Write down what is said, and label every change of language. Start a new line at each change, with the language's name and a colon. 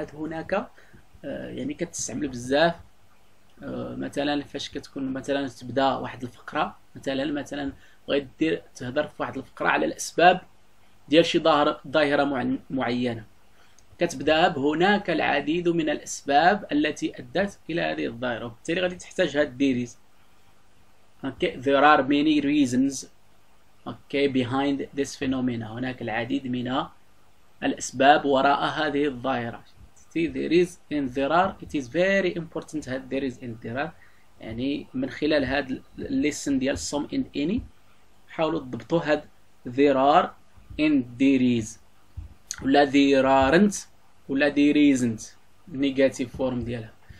Arabic: هاد هناك يعني كتستعمل بزاف مثلا فاش كتكون مثلا تبدا واحد الفقره مثلا غدير تهضر في واحد الفقره على الاسباب ديال شي ظاهره معينه كتبداها بهناك العديد من الاسباب التي ادت الى هذه الظاهره وبالتالي غادي تحتاج هاد ديريز.
English: Okay, there are many reasons behind this phenomena.
Arabic: هناك العديد من الأسباب وراء هذه الظاهرة.
English: See, there is and there are. It is very important that there is and there are.
Arabic: يعني من خلال هذا الليسن ديال
English: some and any
Arabic: حاولوا تضبطوا هاد
English: there are and there is
Arabic: ولا
English: there aren't
Arabic: ولا
English: there isn't negative form
Arabic: ديالها.